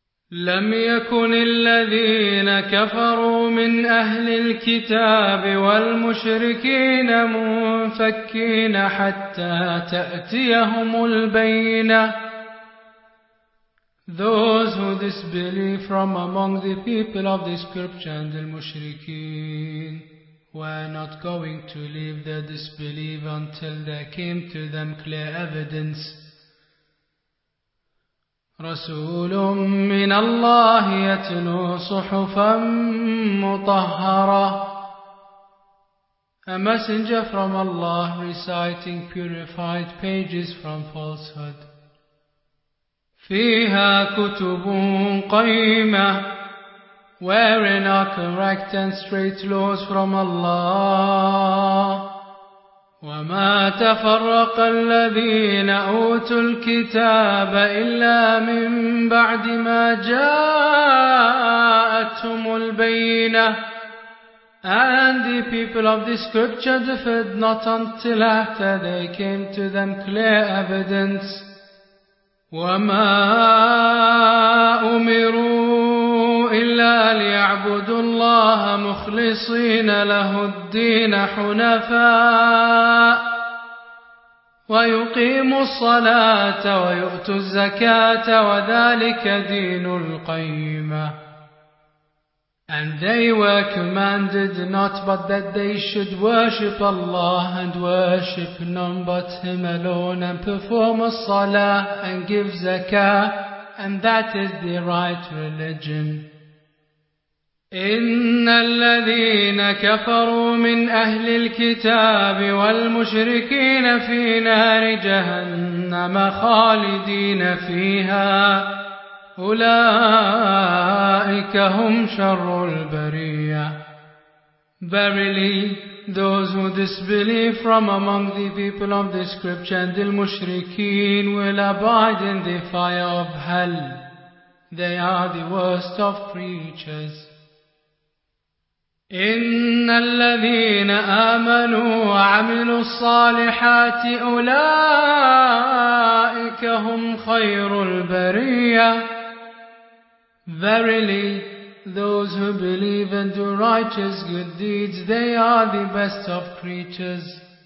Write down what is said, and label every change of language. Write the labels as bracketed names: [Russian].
[Arabic] لم يكن الذين كفروا من أهل الكتاب والمشركين منفكين حتى تأتيهم البينة. [English] Those who disbelieve from among the people of the scripture and the mushrikeen were not going to leave the disbelief until there came to them clear evidence. [Arabic] رسول من الله يتلو صحفا مطهرة. [English] A messenger from Allah reciting purified pages from falsehood. [Arabic] فيها كتب قيمة. [English] Wherein are correct and straight laws from Allah. [Arabic] وما تفرق الذين أوتوا الكتاب إلا من بعد ما جاءتهم البينة. [English] And the people of the scripture differed not until after they came to them clear evidence. [Arabic] وما أمروا إلا ليعبدوا الله مخلصين له الدين حنفاء ويقيموا الصلاة ويؤتوا الزكاة وذلك دين القيمة. [English] And they were commanded not but that they should worship Allah and worship none but Him alone and perform a salah and give zakah, and that is the right religion. [Arabic] إِنَّ الَّذِينَ كَفَرُوا مِنْ أَهْلِ الْكِتَابِ وَالْمُشْرِكِينَ فِي نَارِ جَهَنَّمَ خَالِدِينَ فِيهَا أولئك هم شر البرية. [English] Verily, those who disbelieve from among the people of the scripture and the mushrikeen will abide in the fire of hell. They are the worst of creatures. [Arabic] إن الذين آمنوا وعملوا الصالحات أولئك هم خير البرية. [English] Verily, those who believe and do righteous good deeds, they are the best of creatures.